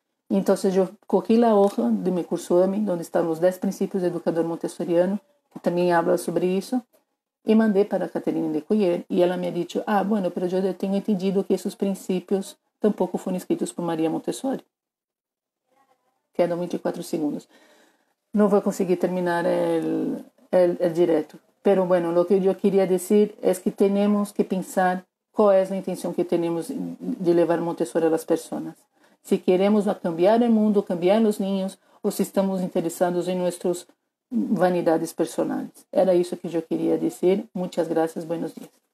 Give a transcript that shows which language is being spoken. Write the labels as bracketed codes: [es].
[pt] Então, eu coloquei a hoja do meu curso AMI, onde estavam os 10 princípios do educador montessoriano, que também habla sobre isso, e mandei para a Caterina Lecuyer, e ela me disse, [es] ah, bueno, pero [pt] eu tenho entendido que esses princípios tampouco foram escritos por Maria Montessori. Quedam 24 segundos. Não vou conseguir terminar o direto. [es] Pero bueno, lo que yo quería decir es que tenemos que pensar cuál es la intención que tenemos de llevar Montessori a las personas. Si queremos cambiar el mundo, cambiar los niños, o si estamos interesados en nuestros vanidades personales. [pt] Era isso que eu queria dizer. Muitas graças, [es] buenos dias.